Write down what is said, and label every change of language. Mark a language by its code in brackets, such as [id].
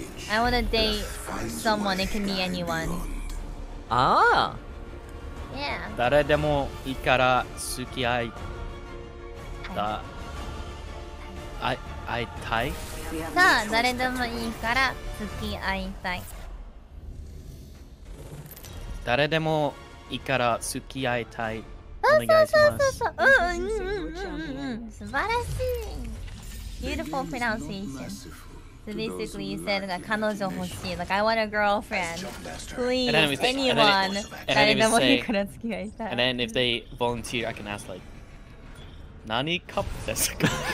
[en] I wanna date someone, it can be anyone. Ah! Yeah. [ja] 誰でもいいから付き合いた会いたいさあ誰でもいいから付き合いたい誰でもいいから付き合いたいお願いしますそうそうそうそう、うんうんうんうん、素晴らしい [en] Beautiful pronunciation So basically you said that [ja] 彼女欲しい [en] Like I want a girlfriendPlease, anyone, [ja] 誰でもいいから付き合いたい。 [en] And then if they volunteer, I can ask like, [ja] 何カップですか？